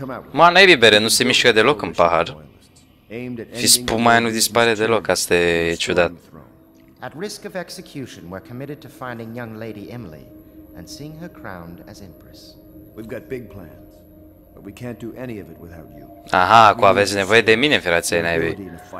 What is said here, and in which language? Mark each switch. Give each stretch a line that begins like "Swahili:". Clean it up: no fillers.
Romanian: Mă, n-ai bere, nu se mișcă deloc în pahar. Și spuma aia nu dispare deloc, asta e ciudat.
English: At risk of execution, we're committed to finding young lady Emily and seeing her crowned as empress. We've got big plans, but we can't do any of it without you.
Romanian: Aha, cu aveți nevoie de mine, frații naibii.